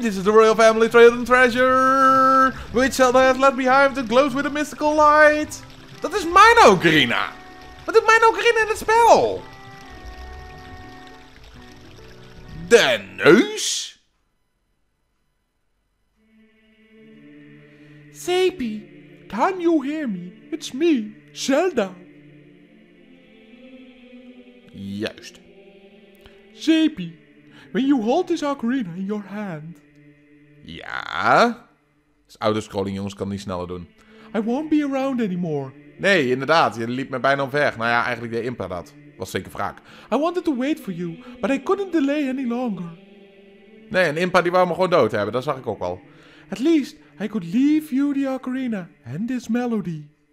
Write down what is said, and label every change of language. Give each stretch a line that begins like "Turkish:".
English: This is the Royal Family Trail and Treasure! Which Zelda has left behind that glows with a mystical light?
Dutch: Dat is mijn Ocarina! Wat doet mijn Ocarina in het spel? De neus?
English: Seipi, can you hear me? It's me, Zelda.
Dutch: Juist. Seipi.
English: When you hold this ocarina in your hand.
Dutch: Ja. Dat is oude scrolling, jongens, kan niet sneller doen.
English: I won't be around anymore.
Dutch: Nee, inderdaad, je liep me bijna omver. Nou ja, eigenlijk deed Impa dat. Was zeker wraak.
English: I wanted to wait for you, but I couldn't delay any longer.
Dutch: Nee, en Impa die wou me gewoon dood hebben, dat zag ik ook al.
English: At least, I could leave you the ocarina and this melody.